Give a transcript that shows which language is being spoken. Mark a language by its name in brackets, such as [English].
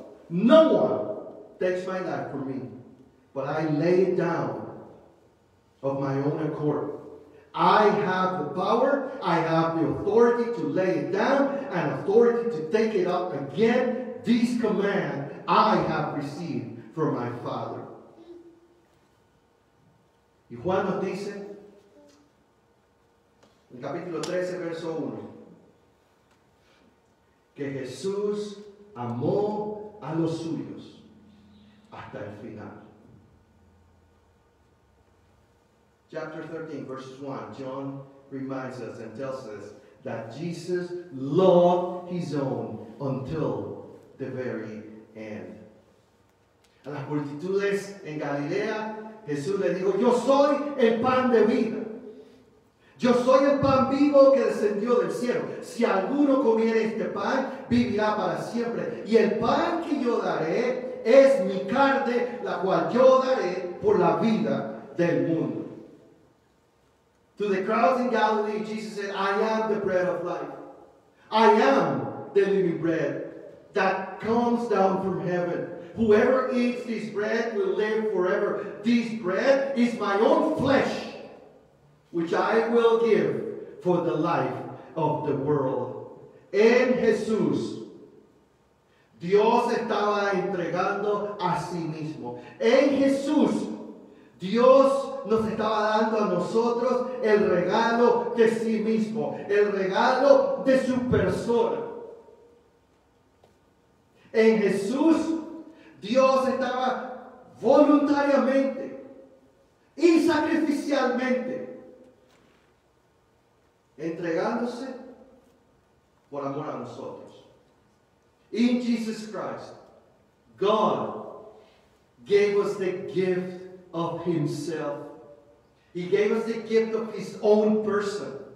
[English] No one takes my life for me, but I lay it down of my own accord. I have the power, I have the authority to lay it down and authority to take it up again. This command I have received from my Father. [Spanish] Y Juan nos dice, en capítulo 13, verso 1, que Jesús amó a los suyos hasta el final. [English] Chapter 13, verse 1, John reminds us and tells us that Jesus loved his own until the very end. [Spanish] A las multitudes en Galilea, Jesús le dijo, yo soy el pan de vida. Yo soy el pan vivo que descendió del cielo. Si alguno comiere este pan, vivirá para siempre. Y el pan que yo daré es mi carne, la cual yo daré por la vida del mundo. [English] To the crowds in Galilee, Jesus said, I am the bread of life. I am the living bread that comes down from heaven. Whoever eats this bread will live forever. This bread is my own flesh, which I will give for the life of the world. [Spanish] En Jesús, Dios estaba entregando a sí mismo. En Jesús, Dios nos estaba dando a nosotros el regalo de sí mismo, el regalo de su persona. En Jesús, Dios estaba voluntariamente y sacrificialmente entregándose por amor a nosotros. [English] In Jesus Christ, God gave us the gift of Himself. He gave us the gift of His own person.